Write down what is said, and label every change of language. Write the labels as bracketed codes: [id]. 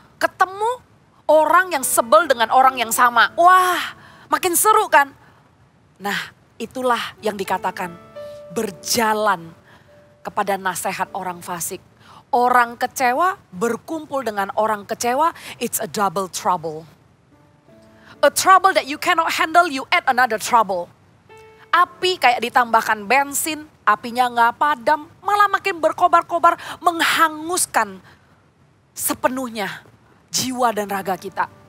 [id] Ketemu orang yang sebel dengan orang yang sama. Wah, makin seru kan. Nah, itulah yang dikatakan. Berjalan kepada nasihat orang fasik. Orang kecewa berkumpul dengan orang kecewa. [en] It's a double trouble. A trouble that you cannot handle, you add another trouble. [id] Api kayak ditambahkan bensin, apinya gak padam, malah makin berkobar-kobar menghanguskan sepenuhnya jiwa dan raga kita.